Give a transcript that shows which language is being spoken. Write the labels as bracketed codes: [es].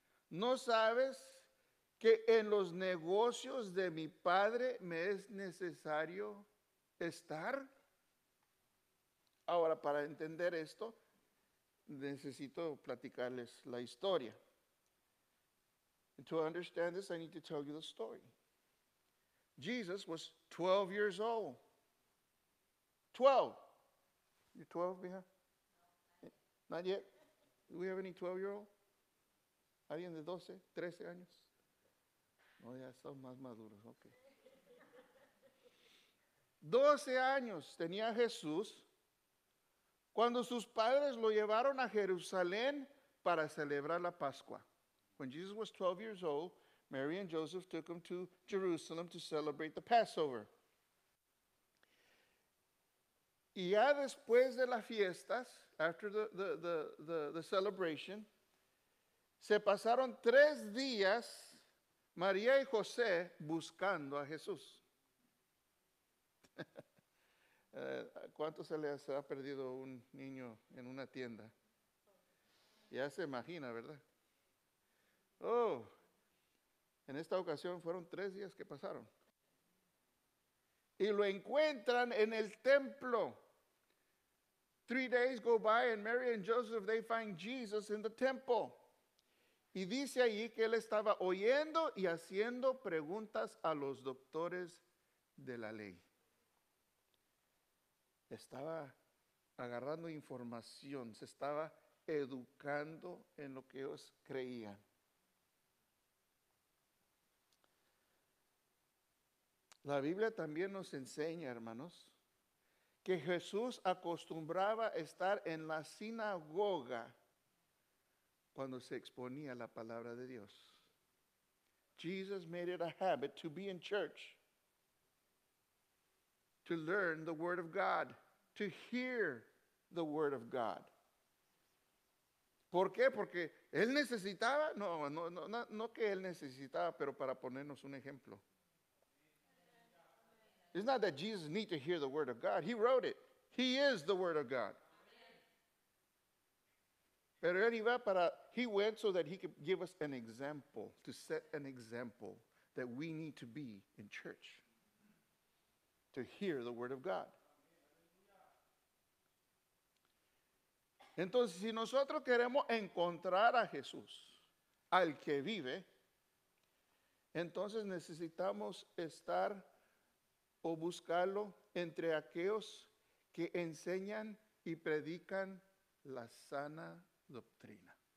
[es] ¿No sabes que en los negocios de mi padre me es necesario estar? Ahora, para entender esto, necesito platicarles la historia. [en] And to understand this, I need to tell you the story. Jesus was 12 years old. 12. You're 12, mija? Not yet. Do we have any 12-year-old? [es] ¿Alguien de 12, 13 años? No, ya son más maduros. Okay. 12 años tenía Jesús cuando sus padres lo llevaron a Jerusalén para celebrar la Pascua. [en] When Jesus was 12 years old, Mary and Joseph took him to Jerusalem to celebrate the Passover. [es] Y ya después de las fiestas, [en] after the celebration, [es] se pasaron 3 días María y José buscando a Jesús. ¿Cuánto se le ha perdido un niño en una tienda? Ya se imagina, ¿verdad? Oh, en esta ocasión fueron 3 días que pasaron. Y lo encuentran en el templo. [en] 3 days go by and Mary and Joseph, they find Jesus in the temple. [es] Y dice allí que él estaba oyendo y haciendo preguntas a los doctores de la ley. Estaba agarrando información, se estaba educando en lo que ellos creían. La Biblia también nos enseña, hermanos, que Jesús acostumbraba estar en la sinagoga cuando se exponía la palabra de Dios. [en] Jesus made it a habit to be in church, to learn the word of God, to hear the word of God. [es] ¿Por qué? Porque él necesitaba, no que él necesitaba, pero para ponernos un ejemplo. [en] It's not that Jesus needs to hear the word of God. He wrote it. He is the word of God. [es] Pero él iba para, [en] he went so that he could give us an example, to set an example that we need to be in church, to hear the word of God. [es] Entonces, si nosotros queremos encontrar a Jesús, al que vive, entonces necesitamos estar o buscarlo entre aquellos que enseñan y predican la sana doctrina.